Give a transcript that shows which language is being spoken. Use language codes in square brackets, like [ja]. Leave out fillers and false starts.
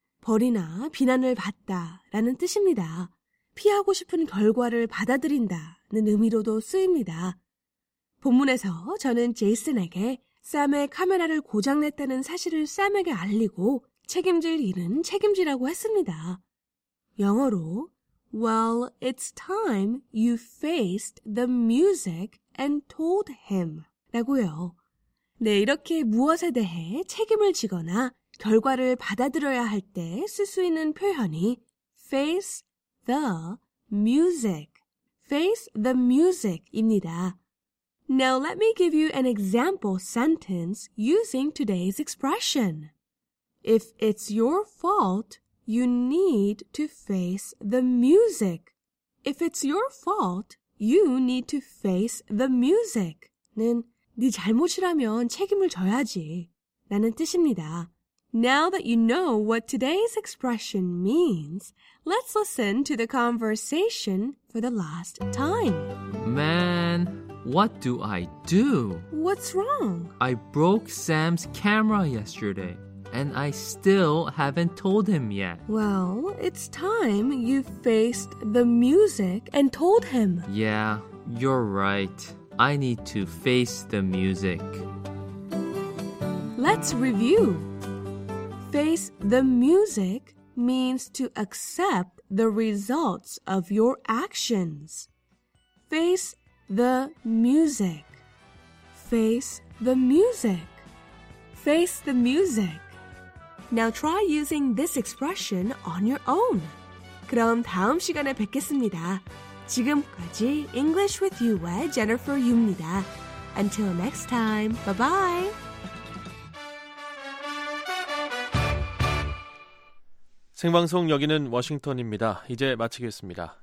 [ko] 벌이나 비난을 받다 라는 뜻입니다. 피하고 싶은 결과를 받아들인다 는 의미로도 쓰입니다. 본문에서 저는 제이슨에게 샘의 카메라를 고장냈다는 사실을 샘에게 알리고 책임질 일은 책임지라고 했습니다. 영어로 [en] Well, it's time you faced the music and told him [ko] 라고요. 네, 이렇게 무엇에 대해 책임을 지거나 결과를 받아들여야 할 때 쓸 수 있는 표현이 [en] face the music. face the music입니다. Now let me give you an example sentence using today's expression. If it's your fault, you need to face the music. If it's your fault, you need to face the music. [ko] 는 네 잘못이라면 책임을 져야지 라는 뜻입니다. [en] Now that you know what today's expression means, let's listen to the conversation for the last time. Man, what do I do? What's wrong? I broke Sam's camera yesterday, and I still haven't told him yet. Well, it's time you faced the music and told him. Yeah, you're right. I need to face the music. Let's review. Face the music means to accept the results of your actions. Face the music. Face the music. Face the music. Now try using this expression on your own. [ko] 그럼 다음 시간에 뵙겠습니다. 지금까지 English with You의 Jennifer Yu입니다. [en] Until next time, bye-bye. [ko] 생방송 여기는 워싱턴입니다. 이제 마치겠습니다.